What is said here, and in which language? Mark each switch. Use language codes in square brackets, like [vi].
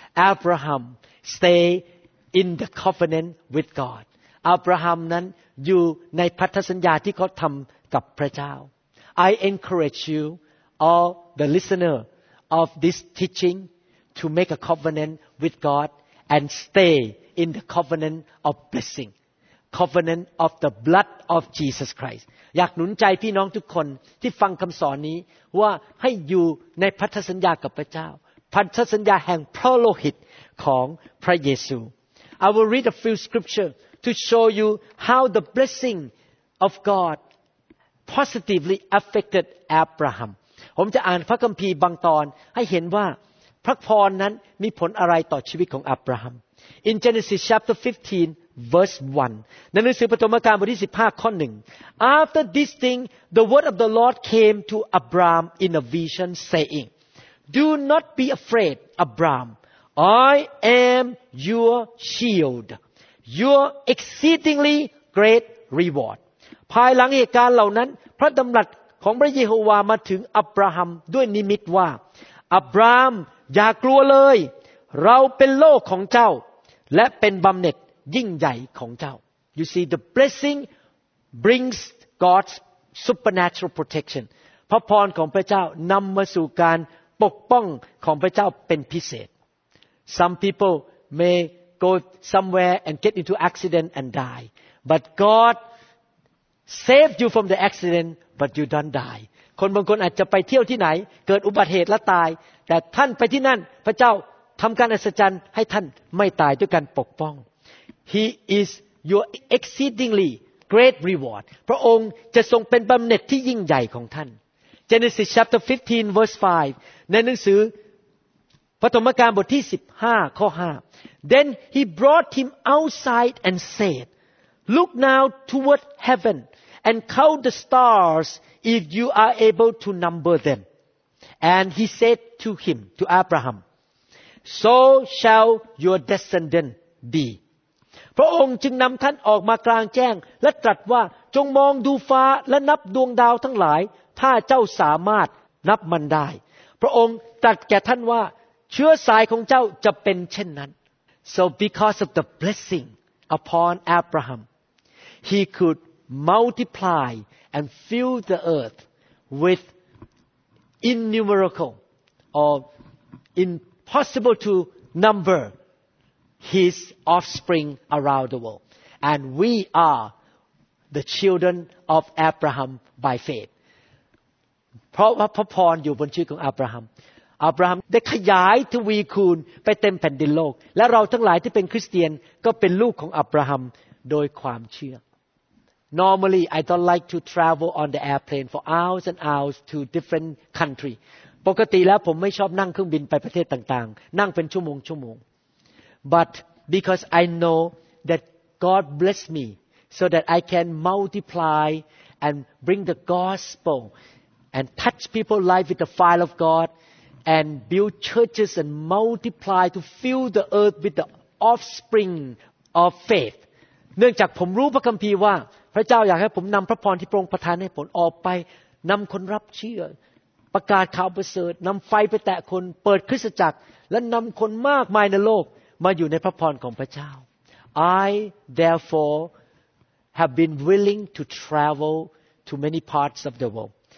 [en] Abraham stay in the covenant with God Abraham [th] นั้นอยู่ในพันธสัญญาที่เขาทำกับพระเจ้า [en] I encourage you all the listener of this teaching to make a covenant with God and stay in the covenant of blessing, covenant of the blood of Jesus Christ. [th] อยากหนุนใจพี่น้องทุกคนที่ฟังคำสอนนี้ว่าให้อยู่ในพันธสัญญากับพระเจ้าพันธสัญญาแห่งพระโลหิตของพระเยซู [en] I will read a few scripture to show you how the blessing of God positively affected Abraham. [th] ผมจะอ่านพระคัมภีร์บางตอนให้เห็นว่าพระพรนั้นมีผลอะไรต่อชีวิตของอับราฮัม [en] In Genesis chapter 15 verse 1 [th] ในหนังสือปฐมกาลบทที่15ข้อ1 [en] After this thing the word of the Lord came to Abraham in a vision saying Do not be afraid Abraham I am your shield your exceedingly great reward [th] ภายหลังเหตุการณ์เหล่านั้นพระดำรัสของพระเยโฮวามาถึงอับราฮัมด้วยนิมิตว่าอับราฮัมอย่ากลัวเลยเราเป็นโลกของเจ้าและเป็นบำเหน็จยิ่งใหญ่ของเจ้า [en] You see the blessing brings God's supernatural protection [th] พระพรของพระเจ้านำมาสู่การปกป้องของพระเจ้าเป็นพิเศษ [en] Some people may go somewhere and get into accident and die but God saved you from the accident but you don't die [th] คนบางคนอาจจะไปเที่ยวที่ไหนเกิดอุบัติเหตุและตายแต่ท่านไปที่นั่นพระเจ้าทำการอัศจรรย์ให้ท่านไม่ตายด้วยการปกป้อง [en] He is your exceedingly great reward [th] พระองค์จะทรงเป็นบำเหน็จที่ยิ่งใหญ่ของท่าน [en] Genesis chapter 15 verse 5 [th] ในหนังสือปฐมกาลบทที่15ข้อ5 [en] Then he brought him outside and said Look now toward heavenAnd count the stars if you are able to number them. And he said to him, to Abraham, So shall your descendant be. [th] พระองค์จึงนำท่านออกมากลางแจ้งและตรัสว่าจงมองดูฟ้าและนับดวงดาวทั้งหลายถ้าเจ้าสามารถนับมันได้พระองค์ตรัสแก่ท่านว่าเชื้อสายของเจ้าจะเป็นเช่นนั้น [en] So because of the blessing upon Abraham, he couldmultiply and fill the earth with innumerable or impossible to number his offspring around the world and we are the children of Abraham by faith [th] เพราะว่าพระพรอยู่บนชีวิตของอับราฮัมอับราฮัมได้ขยายทวีคูณไปเต็มแผ่นดินโลกและเราทั้งหลายที่เป็นคริสเตียนก็เป็นลูกของอับราฮัมโดยความเชื่อ [en] Normally, I don't like to travel on the airplane for hours and hours to different country. [th] ปกติแล้วผมไม่ชอบนั่งเครื่องบินไปประเทศต่างๆนั่งเป็นชั่วโมงชั่วโมง [en] But because I know that God bless me so that I can multiply and bring the gospel and touch people's life with the fire of God and build churches and multiply to fill the earth with the offspring of faith. [th] เนื่องจากผมรู้พระคัมภีร์ว่าพระเจ้าอยากให้ผมนำพระพรที่พระองค์ประทานให้ผมออกไปนำคนรับเชื่อประกาศข่าวประเสริฐนำไฟไปแตะคนเปิดคริสตจักรและนำคนมากมายในโลกมาอยู่ในพระพรของพระเจ้า [en] I therefore have been willing to travel to many parts of the world